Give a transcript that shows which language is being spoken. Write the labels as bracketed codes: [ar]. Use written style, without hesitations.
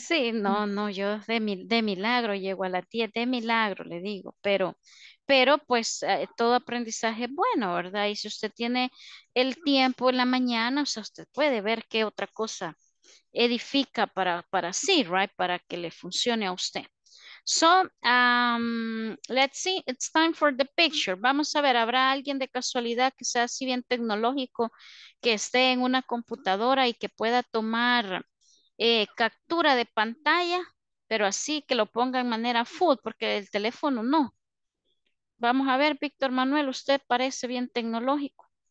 [es] Sí, no, no, yo de milagro llego a la tía, de milagro le digo, pero pues todo aprendizaje es bueno, ¿verdad? Y si usted tiene el tiempo en la mañana, o sea, usted puede ver qué otra cosa edifica para sí, right, para que le funcione a usted. [en] So, let's see, it's time for the picture. [es] Vamos a ver, ¿habrá alguien de casualidad que sea así bien tecnológico que esté en una computadora y que pueda tomar captura de pantalla, pero así que lo ponga en manera full, porque el teléfono no? Vamos a ver, Víctor Manuel, usted parece bien tecnológico.